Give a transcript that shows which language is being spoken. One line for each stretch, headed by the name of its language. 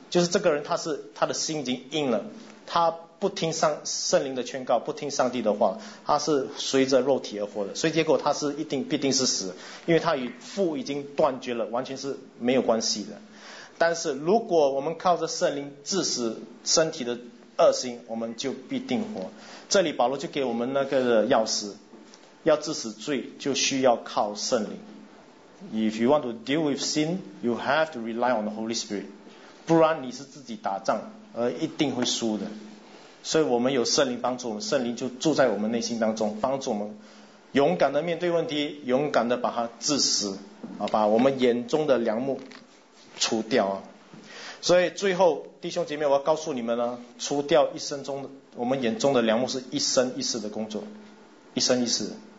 Chinese: 就是这个人，他的心已经硬了，他不听圣灵的劝告，不听上帝的话，他是随着肉体而活的，所以结果他是必定是死，因为他与父已经断绝了，完全是没有关系的。但是如果我们靠着圣灵致死身体的恶行，我们就必定活。这里保罗就给我们那个钥匙，要致死罪就需要靠圣灵。
English: If you want to deal with sin, you have to rely on the Holy Spirit.
Chinese: 不然你是自己打仗，而一定会输的。所以我们有圣灵帮助我们，圣灵就住在我们内心当中，帮助我们勇敢的面对问题，勇敢的把它致死，把我们眼中的梁木除掉啊。所以最后，弟兄姐妹，我要告诉你们呢，除掉一生中的我们眼中的梁木，是一生一世的工作，一生一世。